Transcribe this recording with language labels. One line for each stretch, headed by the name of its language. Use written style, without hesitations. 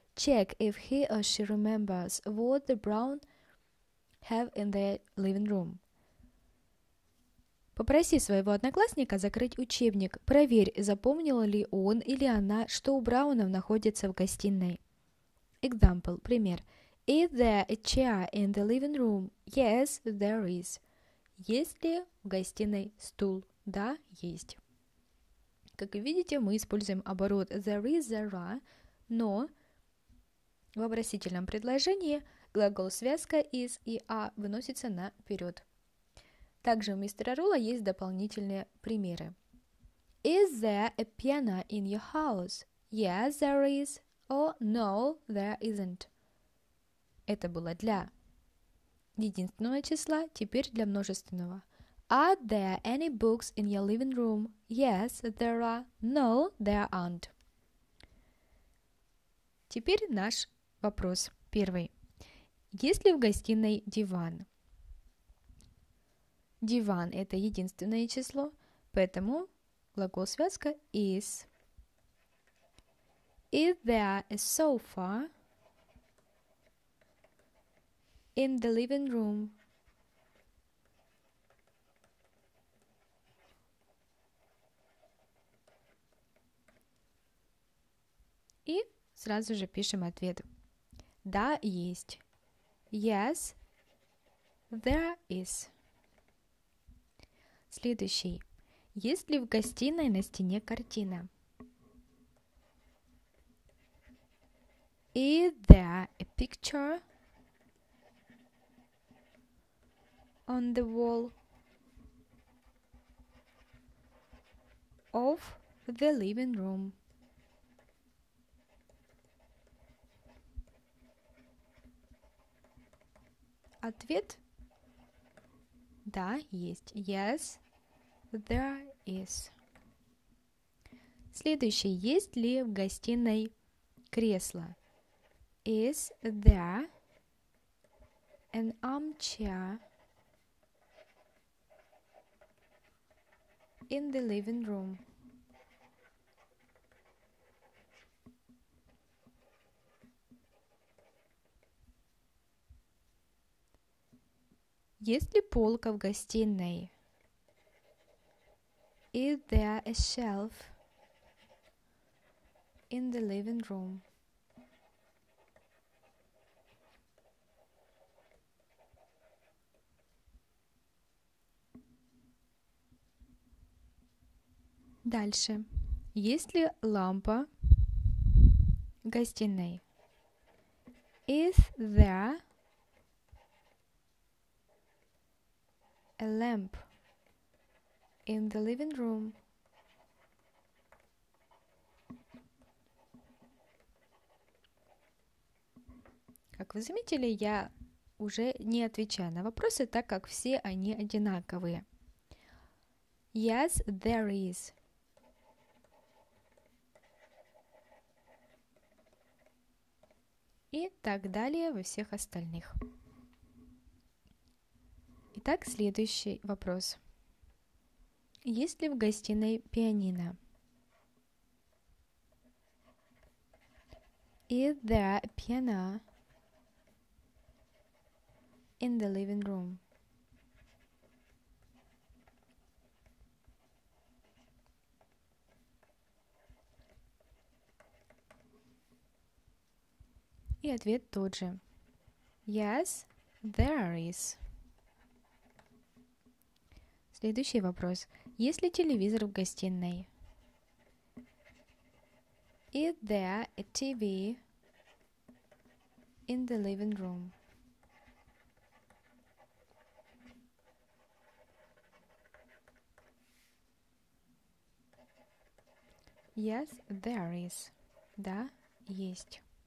English: Check if he or she remembers what the brown have in their living room.
Russian: Попроси своего одноклассника закрыть учебник. Проверь, запомнил ли он или она, что у Браунов находится в гостиной.
English: Example, пример. Is there a chair in the living room? Yes, there is.
Russian: Есть ли в гостиной стул? Да, есть. Как вы видите, мы используем оборот
English: there is, there are,
Russian: но в вопросительном предложении глагол-связка is и are выносится наперед. Также у мистера Рула есть дополнительные примеры.
English: Is there a piano in your house? Yes, there is. Or no, there isn't.
Russian: Это было для единственного числа, теперь для множественного.
English: Are there any books in your living room? Yes, there are. No, there aren't.
Russian: Теперь наш вопрос первый. Есть ли в гостиной диван? Диван – это единственное число, поэтому глагол-связка is.
English: Is there a sofa in the living room?
Russian: И сразу же пишем ответ. Да, есть.
English: Yes, there is.
Russian: Следующий. Есть ли в гостиной на стене картина?
English: Is there a picture on the wall of the living room?
Russian: Ответ. Да, есть.
English: Yes, there is.
Russian: Следующее. Есть ли в гостиной кресло?
English: Is there an armchair in the living room?
Russian: Есть ли полка в гостиной?
English: Is there a shelf in the living room?
Russian: Дальше. Есть ли лампа в гостиной?
English: Is there a lamp in the living room?
Russian: Как вы заметили, я уже не отвечаю на вопросы, так как все они одинаковые.
English: Yes, there is.
Russian: И так далее во всех остальных. Итак, следующий вопрос. Есть ли в гостиной пианино?
English: Is there a piano in the living room?
Russian: И ответ тот же.
English: Yes, there is.
Russian: Следующий вопрос. Есть ли телевизор в гостиной?
English: Is there a TV in the living room? Yes, there is.
Russian: Да, есть.